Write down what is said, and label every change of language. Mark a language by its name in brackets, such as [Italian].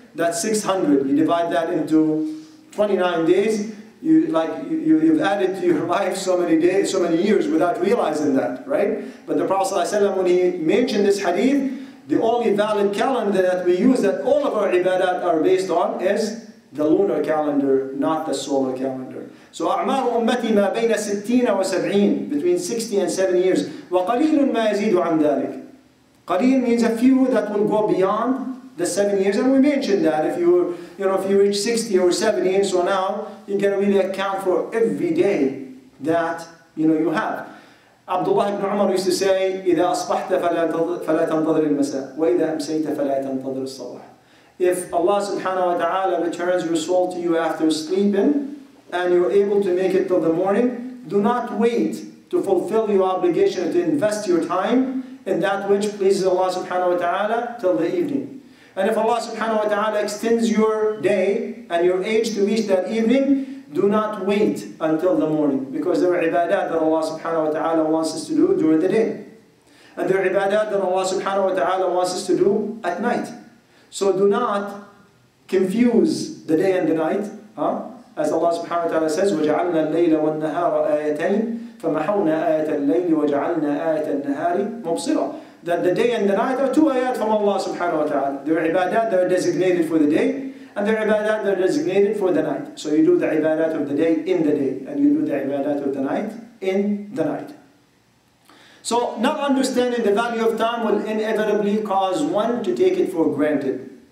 [English] That's 600, you divide that into 29 days, you've added to your life so many days, so many years without realizing that, right? But the Prophet ﷺ, when he mentioned this hadith, the only valid calendar that we use that all of our ibadat are based on is the lunar calendar, not the solar calendar. [Arabic] So أعمار أمتي ما بين 60 و 70, [English] between 60 and 70 years. [Arabic] وقليل ما يزيد عن ذلك. [English] قليل means a few that will go beyond the 7 years, and we mentioned that if you reach 60 or 70, and so now you can really account for every day that you know you have. Abdullah ibn Umar used to say, [Arabic] إذا أصبحت فلا تنتظر المساء وإذا أمسيت فلا تنتظر الصباح. [English] If Allah subhanahu wa ta'ala returns your soul to you after sleeping and you're able to make it till the morning, do not wait to fulfill your obligation to invest your time in that which pleases Allah subhanahu wa ta'ala till the evening. And if Allah subhanahu wa ta'ala extends your day and your age to reach that evening, do not wait until the morning, because there are ibadat that Allah subhanahu wa ta'ala wants us to do during the day. And there are ibadat that Allah subhanahu wa ta'ala wants us to do at night. So do not confuse the day and the night. Huh? As Allah subhanahu wa ta'ala says, [Arabic] وَجَعَلْنَا اللَّيْلَ وَالنَّهَارَ آيَتَيْنِ فَمَحَوْنَا آيَةَ اللَّيْلِ وَجَعَلْنَا آيَةَ النَّهَارِ مُبْصِرًا. [English] That the day and the night are two ayat from Allah subhanahu wa ta'ala. There are ibadat that are designated for the day, and there are ibadat that are designated for the night. So you do the ibadat of the day in the day, and you do the ibadat of the night in the night. So not understanding the value of time will inevitably cause one to take it for granted.